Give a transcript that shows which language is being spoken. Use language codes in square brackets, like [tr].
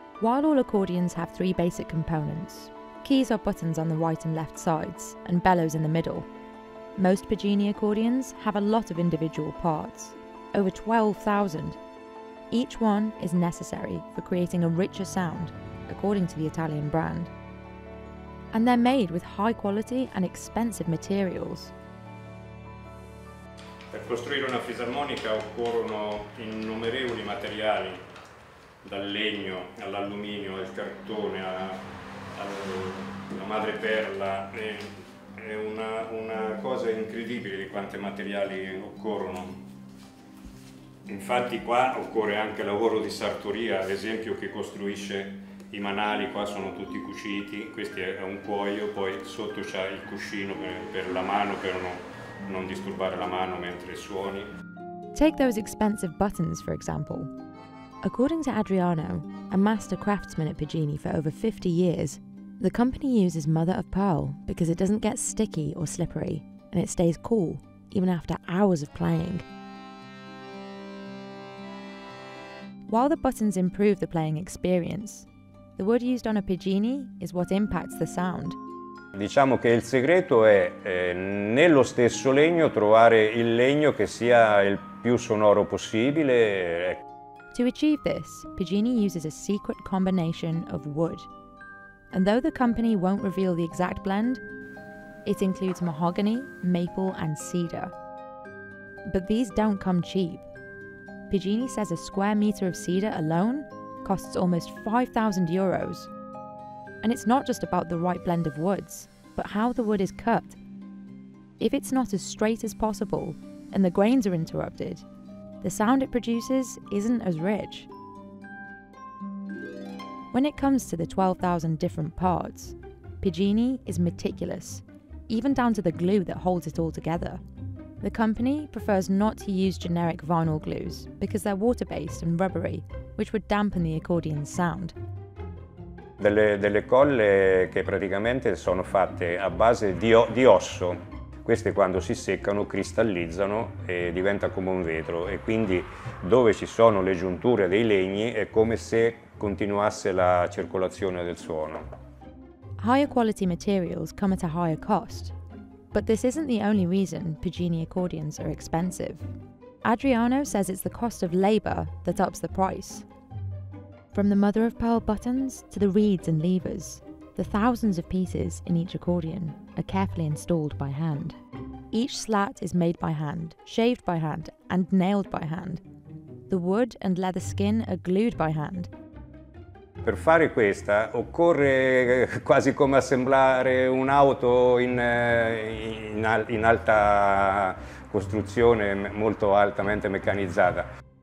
[en] While all accordions have three basic components, keys or buttons on the right and left sides, and bellows in the middle, most Pigini accordions have a lot of individual parts, over 12,000. Each one is necessary for creating a richer sound, according to the Italian brand. And they're made with high quality and expensive materials. [it] Per costruire una fisarmonica occorrono innumerevoli materiali, dal legno all'alluminio, al cartone, alla madreperla. È una cosa incredibile di quanti materiali occorrono. Infatti qua occorre anche lavoro di sartoria, ad esempio, che costruisce i manali, qua sono tutti cuciti, questo è un cuoio, poi sotto c'è il cuscino per la mano, per non disturbare la mano mentre suoni. [en] Take those expensive buttons, for example. According to Adriano, a master craftsman at Pigini for over 50 years, the company uses mother of pearl because it doesn't get sticky or slippery, and it stays cool even after hours of playing. While the buttons improve the playing experience, the wood used on a Pigini is what impacts the sound. [it] Diciamo che il segreto è nello stesso legno trovare il legno che sia il più sonoro possibile. [en] To achieve this, Pigini uses a secret combination of wood. And though the company won't reveal the exact blend, it includes mahogany, maple, and cedar. But these don't come cheap. Pigini says a square meter of cedar alone costs almost 5,000 euros. And it's not just about the right blend of woods, but how the wood is cut. If it's not as straight as possible, and the grains are interrupted, the sound it produces isn't as rich. When it comes to the 12,000 different parts, Pigini is meticulous, even down to the glue that holds it all together. The company prefers not to use generic vinyl glues because they're water-based and rubbery, which would dampen the accordion's sound. [it] Delle colle che praticamente sono fatte a base di osso. Queste quando si seccano cristallizzano e diventa come un vetro. E quindi dove ci sono le giunture dei legni è come se continuasse la circolazione del suono. [en] Higher quality materials come at a higher cost. But this isn't the only reason Pigini accordions are expensive. Adriano says it's the cost of labor that ups the price. From the mother of pearl buttons to the reeds and levers, the thousands of pieces in each accordion are carefully installed by hand. Each slat is made by hand, shaved by hand, and nailed by hand. The wood and leather skin are glued by hand. [it] Per fare questa occorre quasi come assemblare un'auto in alta costruzione, molto altamente meccanizzata.